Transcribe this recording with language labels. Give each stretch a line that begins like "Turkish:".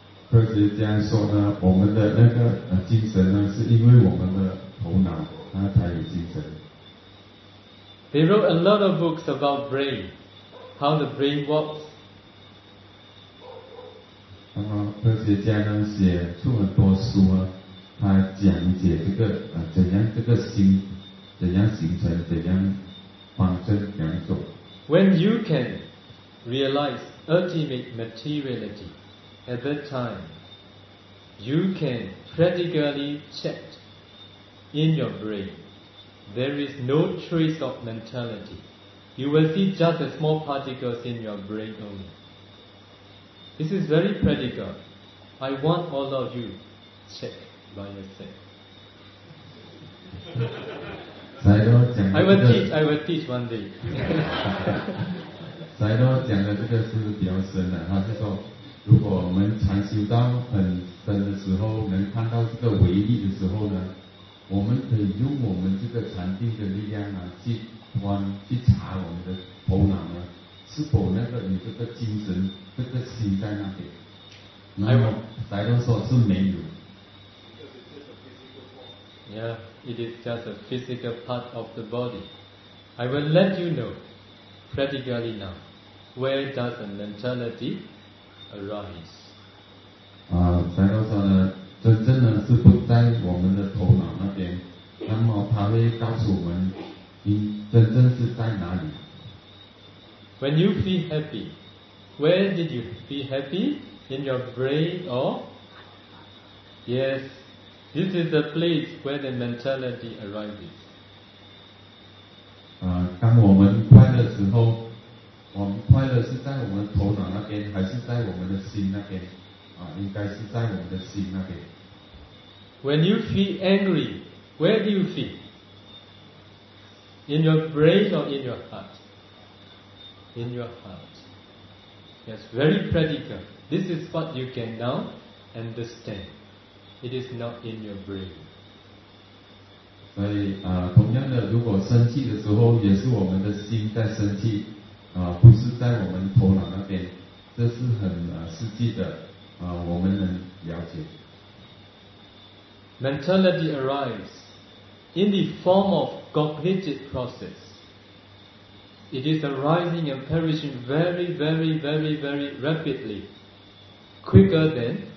Chinese: 科学家说呢，我们的那个精神呢，是因为我们的头脑，它才有精神。
English: They wrote a lot of books about brain, how the brain works.
Chinese: 那么科学家呢，写出很多书啊，他讲解这个怎样这个心，怎样形成，怎样方针，怎样走。
English: When you can realize ultimate materiality, at that time, you can practically check in your brain. There is no trace of mentality. You will see just a small particles in your brain only. This is very practical. I want all of you check by yourself. I will teach one day.
Chinese: 才多讲的这个是比较深的，他是说，如果我们禅修到很深的时候，能看到这个唯一的时候呢，我们可以用我们这个禅定的力量啊，去观去查我们的头脑呢，是否那个你这个精神这个心在那边？没有，才多说是没有。
English: Yeah, it is just a physical part of the body. I will let you know practically now. Where does the mentality arise?
Chinese: 才多说呢，真正的是不在我们的头脑那边，那么他会告诉我们，真正是在哪里。
English: When you feel happy, where did you feel happy? In your brain or? Yes. This is the place where the mentality arises.
Chinese: 当我们快乐的时候，我们快乐是在我们头脑那边，还是在我们的心那边？应该是在我们的心那边。
English: When you feel angry, where do you feel? In your brain or in your heart? In your heart. Yes, very practical. This is what you can now understand. It is not in your brain.
Chinese: 所以同样的，如果生气的时候，也是我们的心在生气，不是在我们头脑那边，这是很实际的，我们能了解。
English: Mentality arises in the form of cognitive process. It is arising and perishing very, very, very, very rapidly, quicker than.